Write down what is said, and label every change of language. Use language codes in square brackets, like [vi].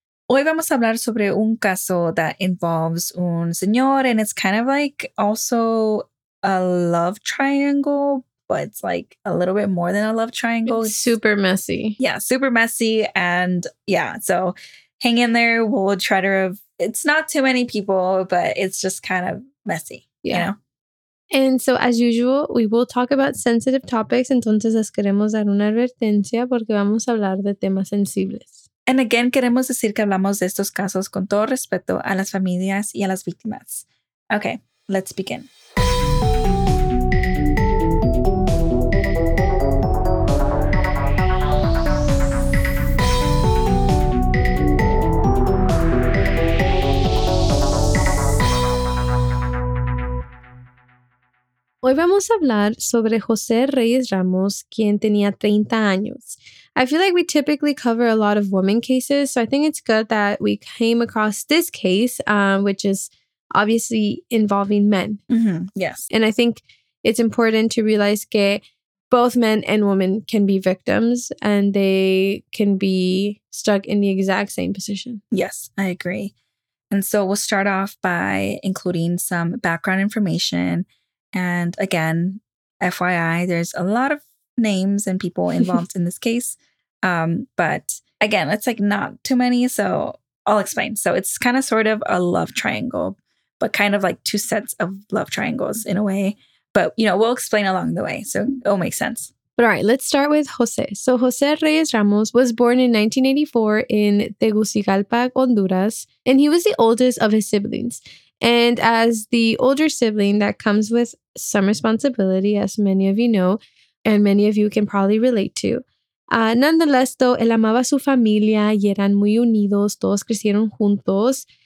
[es] Hoy vamos a hablar sobre un caso [en] that involves [es] un señor, [en] and it's kind of like also a love triangle, but it's like a little bit more than a love triangle. It's super messy. Yeah, super messy. And yeah, so hang in there. We'll try to, it's not too many people, but it's just kind of messy, you know? And so as usual, we will talk about sensitive topics. [es] Entonces, les queremos dar una advertencia porque vamos a hablar de temas sensibles. [en] And again, [es] queremos decir que hablamos de estos casos con todo respeto a las familias y a las víctimas. [en] Okay, let's begin. [es] Hoy vamos a hablar sobre José Reyes Ramos, quien tenía 30 años. [en] I feel like we typically cover a lot of women cases, so I think it's good that we came across this case, which is obviously involving men. Mm-hmm. Yes. And I think it's important to realize que both men and women can be victims and they can be stuck in the exact same position. Yes, I agree. And so we'll start off by including some background information. And again, FYI, there's a lot of names and people involved in this case. But again, it's like not too many. So I'll explain. So it's kind of sort of a love triangle, but kind of like two sets of love triangles in a way. But, you know, we'll explain along the way. So it'll make sense. All right, let's start with José. So José Reyes Ramos was born in 1984 in Tegucigalpa, Honduras, and he was the oldest of his siblings. And as the older sibling, that comes with some responsibility, as many of you know, and many of you can probably relate to. Nonetheless, though, [es] él amaba su familia y eran muy unidos, todos crecieron juntos.